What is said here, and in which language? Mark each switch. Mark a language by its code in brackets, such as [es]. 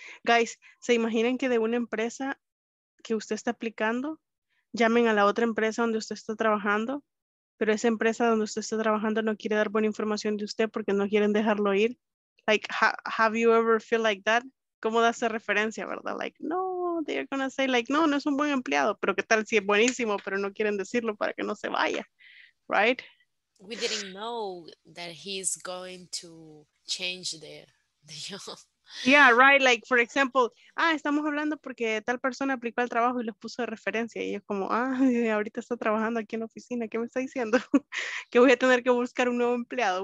[es] Guys, se imaginen que de una empresa que usted está aplicando, llamen a la otra empresa donde usted está trabajando, pero esa empresa donde usted está trabajando no quiere dar buena información de usted porque no quieren dejarlo ir. [en] Like, have you ever feel like that? [es] ¿Cómo da esa referencia, verdad? [en] Like, no, they're gonna say like, [es] no, no es un buen empleado, pero qué tal si es buenísimo, pero no quieren decirlo para que no se vaya, right? [en] We didn't know that he's going to change the job. Yeah, right. Like, for example, [es] ah, estamos hablando porque tal persona aplicó al trabajo y los puso de referencia. Y es como, ah, ahorita está trabajando aquí en la oficina. ¿Qué me está diciendo? Que voy a tener que buscar un nuevo empleado.